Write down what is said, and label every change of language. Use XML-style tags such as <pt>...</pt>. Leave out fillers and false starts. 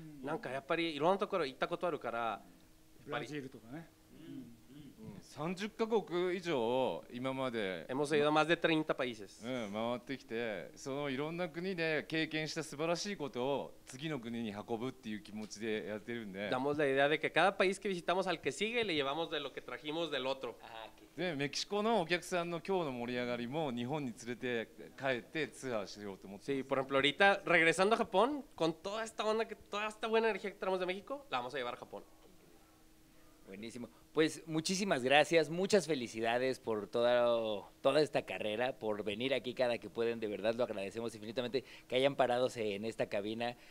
<ja>なんかやっぱりいろんなところ行ったことあるから、ブラジルとかね。 30カ国以上今まで、</ja> <es>Hemos ido más de 30 países。</es> <ja>回ってきて、そのいろんな国で経験した素晴らしいことを次の国に運ぶっていう気持ちでやってるんで。</ja> <es>Damos la idea de que cada país que visitamos al que sigue le llevamos de lo que trajimos del otro。</es> <ja>でメキシコのお客さんの今日の盛り上がりも日本に連れて帰ってツアーしようと思ってます。</ja> <es>Sí, por ejemplo, ahorita regresando a Japón con toda esta onda, toda esta buena energía que tenemos de México, la vamos a llevar a Japón. Buenísimo. Pues muchísimas gracias, muchas felicidades por toda esta carrera, por venir aquí cada que pueden. De verdad lo agradecemos infinitamente que hayan parado en esta cabina.</es>